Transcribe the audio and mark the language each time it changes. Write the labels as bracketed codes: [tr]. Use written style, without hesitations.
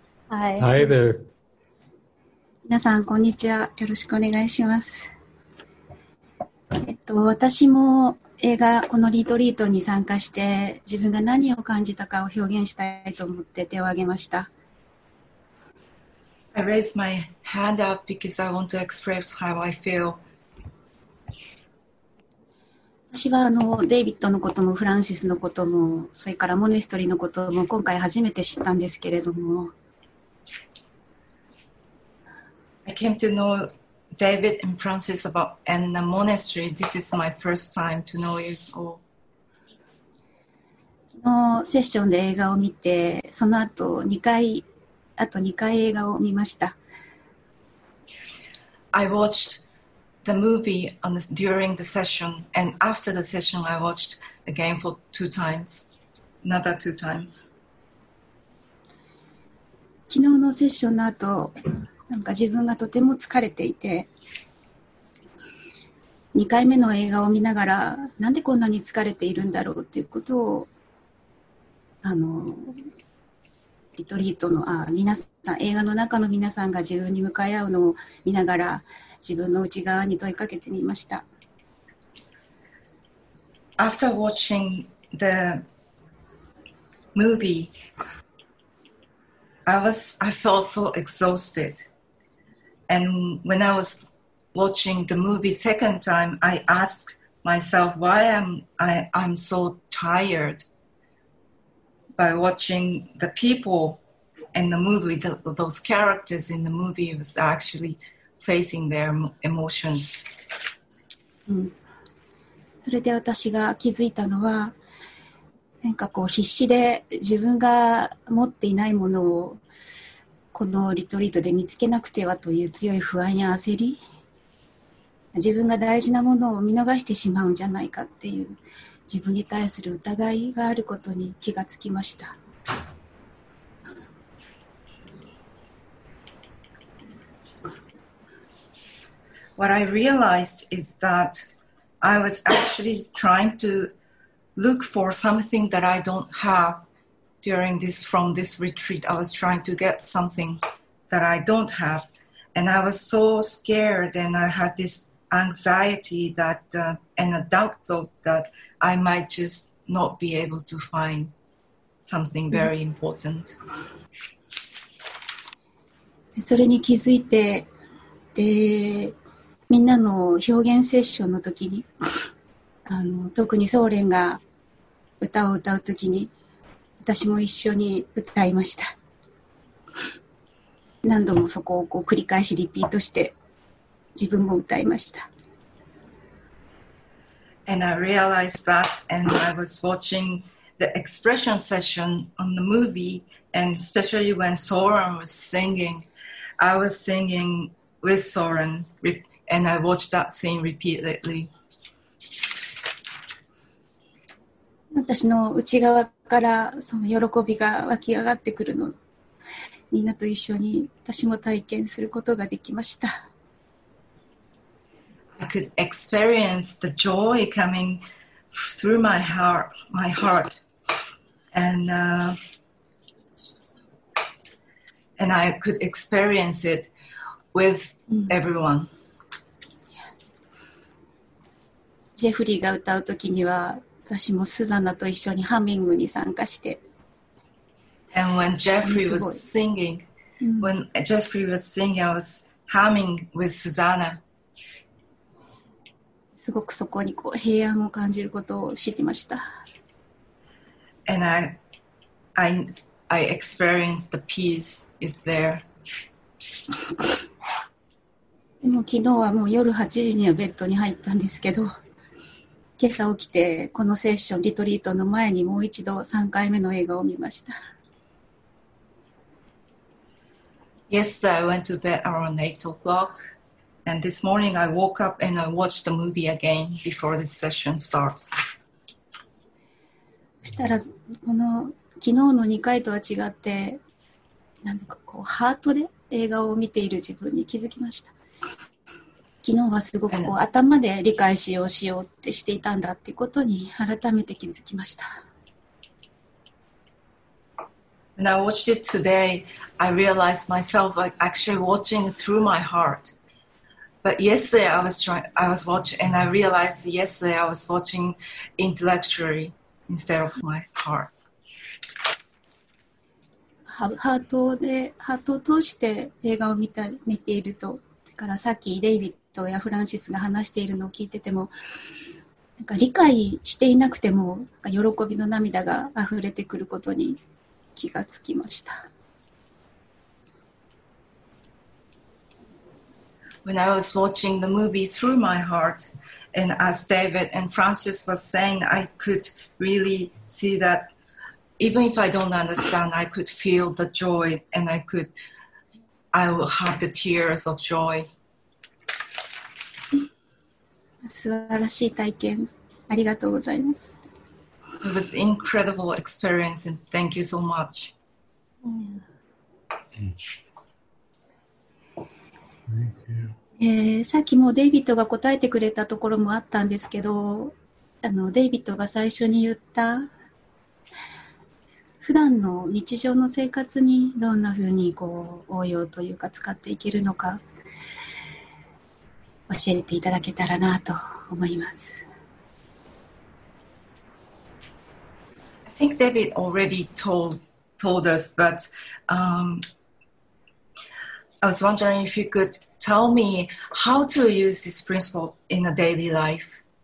[en] Hi. Hi there. [ja] 皆さん、こんにちは。よろしくお願いします。私も映画このリトリートに参加して自分が何を感じたかを表現したいと思って手を挙げました。 [en] I raised my hand up because I want to express how I feel. [ja] 私はデイビッドのこともフランシスのこともそれからモネストリーのことも今回初めて知ったんですけれども。 [en] I came to knowDavid and Francis about and the monastery. This is my first time to know you all. [ja] のセッションで映画を見て、その後あと2回映画を見ました。 [en] I watched the movie during the session and after the session, I watched again for two times. another two times. [ja] 昨日のセッションの後、なんか自分がとても疲れていて、2回目の映画を見ながら、なんでこんなに疲れているんだろうということを、リトリートの、皆さん、映画の中の皆さんが自分に向かい合うのを見ながら、自分の内側に問いかけてみました。 [en] After watching the movie, I felt so exhausted. And when I was watching the movie second time, I asked myself, why am I'm so tired by watching the people in the movie, those characters in the movie was actually facing their emotions. [ja] それで私が気づいたのは、なんかこう必死で自分が持っていないものをこのリトリートで見つけなくてはという強い不安や焦り、自分が大事なものを見逃してしまうんじゃないかっていう自分に対する疑いがあることに気がつきました。 [en] What I realized is that I was actually trying to look for something that I don't have during this, from this retreat. I was trying to get something that I don't have. And I was so scared and I had this anxiety that, and a doubt thought that I might just not be able to find something very important. [ja] それに気づいて、で、みんなの表現セッションの時に、特にソーレンが歌を歌う時に、私も一緒に歌いました。何度もそこをこう繰り返しリピートして、自分も歌いました。 [en] And I realized that, and I was watching the expression session on the movie, and especially when Soren was singing, I was singing with Soren, and I watched that scene repeatedly. [ja] 私の内側からその喜びが湧き上がってくるの、みんなと一緒に私も体験することができました。 [en] I could experience the joy coming through my heart, and I could experience it with everyone. [ja] ジェフリーが歌うときには、私もスザンナと一緒にハミングに参加して。 [en] And when Jeffrey was singing, I was humming with Susanna. [ja] すごくそこにこう平安を感じることを知りました。 [en] And I experienced the peace is there. [ja] でも昨日はもう夜8時にはベッドに入ったんですけど、今朝起きてこのセッションリトリートの前にもう一度3回目の映画を見ました。 [en] Yesterday I went to bed around 8 o'clock. And this morning I woke up and I watched the movie again before this session starts. [ja] そしたらこの昨日の2回とは違って、なんかこうハートで映画を見ている自分に気づきました。昨日はすごくこう頭で理解しようしようってしていたんだっていうことに改めて気づきました。 [en] And I watched it today. I realized myself like actually watching through my heart. But yesterday and I realized yesterday I was watching intellectually instead of my heart. [ja] ハートを通して映画を見ていると、それからさっきデイビッドやフランシスが話しているのを聞いてても、なんか理解していなくても、なんか喜びの涙が溢れてくることに気がつきました。 [en] When I was watching the movie through my heart, and as David and Francis was saying, I could really see that even if I don't understand, I could feel the joy, and I will have the tears of joy. [ja] 素晴らしい体験、ありがとうございます。 [en] It was an incredible experience and thank you so much. [ja] さっきもデイビッドが答えてくれたところもあったんですけど、デイビッドが最初に言った普段の日常の生活にどんなふうにこう応用というか使っていけるのか教えていただけたらなと思います。 [en] I think David already told us, but I was wondering if you could tell me how to use this principle in a daily life.